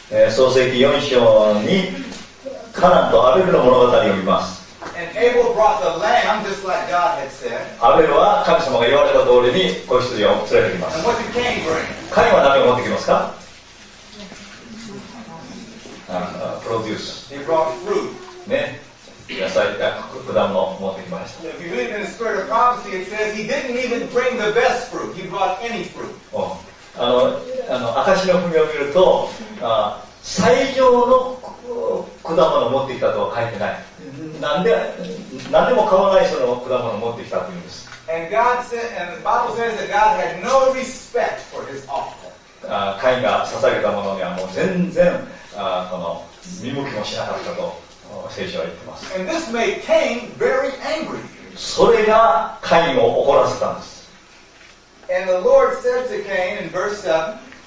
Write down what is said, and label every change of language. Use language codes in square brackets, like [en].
[ja] 創世記4章にカナンとアベルの物語を見ます。 [en] Abel brought the lamb just like God had said. [ja] アベルは神様が言われた通りに子羊を連れてきます。 [en] And what did Cain bring? [ja] カインは何を持ってきますか？ [en] プロデュース。 He brought fruit. [ja] ね。野菜や果物を持ってきました。 [en] If you read in the spirit of prophecy, it says he didn't even bring the best fruit. He brought any fruit. [ja] 証の文を見ると、最上の果物を持ってきたとは書いてない。何でも買わない人の果物を持ってきたというんです。 [en] And God said, and the Bible says that God had no respect for his offer. [ja] カインが捧げたものにはもう全然この見向きもしなかったと聖書は言ってます。 [en] And this made Cain very angry. [ja] それがカインを怒らせたんです。 [en] And the Lord said to Cain in verse 7.